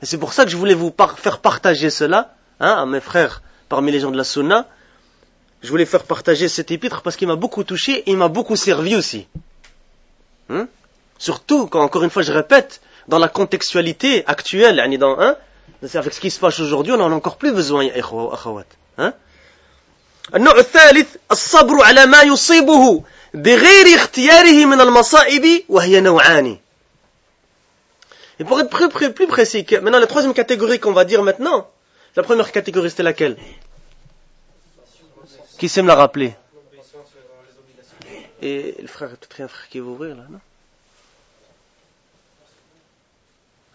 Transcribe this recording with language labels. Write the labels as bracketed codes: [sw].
[fr] Et c'est pour ça que je voulais vous faire partager cela, hein, à mes frères parmi les gens de la Sunna. Je voulais faire partager cet épître parce qu'il m'a beaucoup touché et il m'a beaucoup servi aussi. Hein? Surtout quand, encore une fois, je répète, dans la contextualité actuelle, yani dans, hein, c'est avec ce qui se passe aujourd'hui, on en a encore plus besoin, akhawat. [ar] النوع الثالث الصبر على ما يصيبه بغير اختياره من المصائب وهي نوعان. [fr] Et pour être plus précis, maintenant la troisième catégorie qu'on va dire maintenant, la première catégorie c'était laquelle ? Qui sait me la rappeler ? Et le frère, peut-être un frère qui va ouvrir là, non ?